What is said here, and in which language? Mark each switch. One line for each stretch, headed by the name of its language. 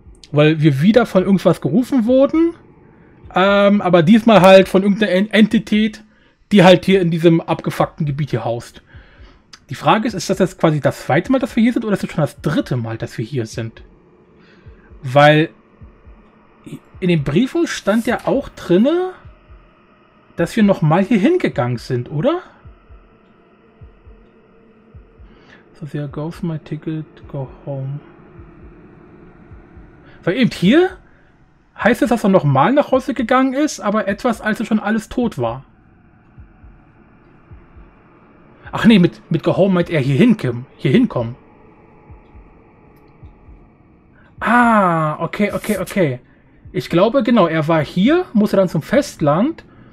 German: Weil wir wieder von irgendwas gerufen wurden. Aber diesmal halt von irgendeiner Entität, die halt hier in diesem abgefuckten Gebiet hier haust. Die Frage ist das jetzt quasi das zweite Mal, dass wir hier sind, oder ist das schon das dritte Mal, dass wir hier sind? Weil in den Briefen stand ja auch drinne, dass wir nochmal hier hingegangen sind, oder?
English: So, yeah, go for my ticket, go home.
German: Weil eben hier heißt es, dass er nochmal nach Hause gegangen ist, aber etwas, als er schon alles tot war. Ach nee, mit Go Home meint er hier hinkommen. Ah, okay. Ich glaube, genau, er war hier, musste dann zum Festland.